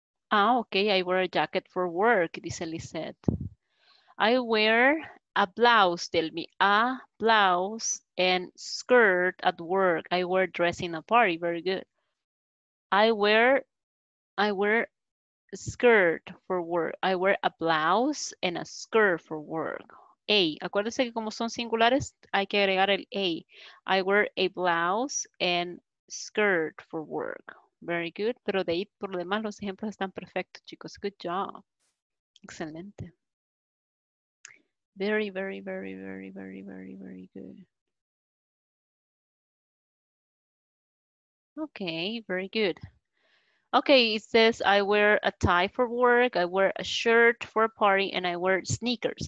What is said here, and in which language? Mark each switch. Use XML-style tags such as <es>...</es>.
<en>Ah, okay, I wear a jacket for work,</en> <es>dice</es> <en>Lisette. I wear a blouse, tell me, a blouse and skirt at work. I wear dress in a party, very good. I wear a skirt for work. I wear a blouse and a skirt for work.</en> <es>A, acuérdense que como son singulares, hay que agregar el A.</es> <en>I wear a blouse and skirt for work. Very good.</en> <es>Pero de ahí, por lo demás, los ejemplos están perfectos, chicos.</es> <en>Good job.</en> <es>Excelente.</es> <en>Very, very, very, very, very, very, very good. Okay, very good. Okay, it says I wear a tie for work, I wear a shirt for a party, and I wear sneakers.</en>